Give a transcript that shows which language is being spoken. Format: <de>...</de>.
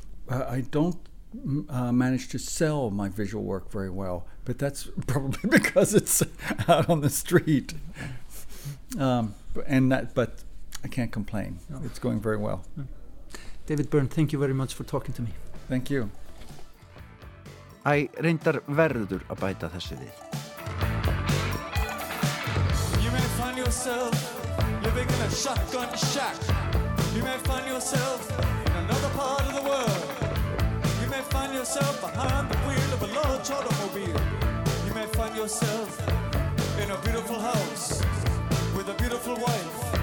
<en>I don't manage to sell my visual work very well, but that's probably because it's out on the street. But I can't complain. No. It's going very well. David Byrne, thank you very much for talking to me. Thank you.</en> <is>Æ, reyndar verður að bæta þessu við.</is> <en>You may find yourself living in a shotgun shack. You may find yourself in another part of the world. You may find yourself behind the wheel of a large automobile. You may find yourself in a beautiful house with a beautiful wife.</en>